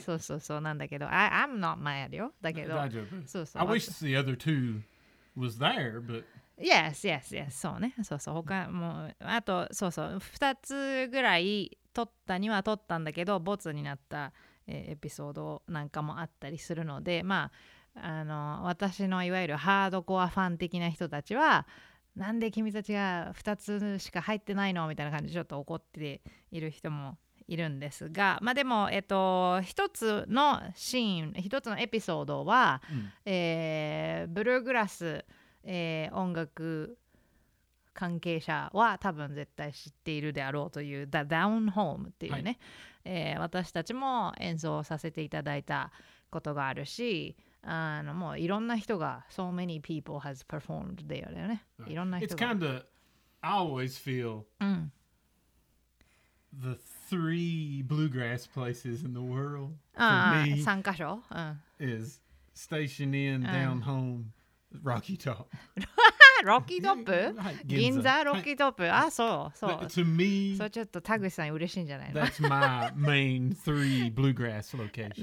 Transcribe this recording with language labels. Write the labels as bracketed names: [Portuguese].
[Japanese] そうそうそうなんだけど [English] I'm not mad [Japanese] よだけど大丈夫そうそう [English] I wish the other two was there but Yes yes yes [Japanese] そうねそうそう他もうあとそうそう2つぐらい撮ったには撮ったんだけどボツになった、エピソードなんかもあったりするのでまあ私のいわゆるハードコアファン的な人たちはなんで君たちが2つしか入ってないのみたいな感じでちょっと怒っている人もいるんですが、まあでも1つのシーン1つのエピソードは、うんブルーグラス、音楽関係者は多分絶対知っているであろうという The Down Home っていうね、はい私たちも演奏させていただいたことがあるしもういろんな人が [English] So many people has performed there [Japanese] よね、 [English] right. [Japanese] いろんな人が [English] It's kind of I always feel、 [Japanese] うん、 [English] The three bluegrass places in the world for me [Japanese] 3カ所、うん、 [English] is Station Inn, Down Home、うん、Rocky Top [Japanese] ロッキートップ銀座ロッキートップ、はい、あ、そうそう [English] to me, [Japanese] そうちょっと田口さん嬉しいんじゃないの [English] That's my main three bluegrass locations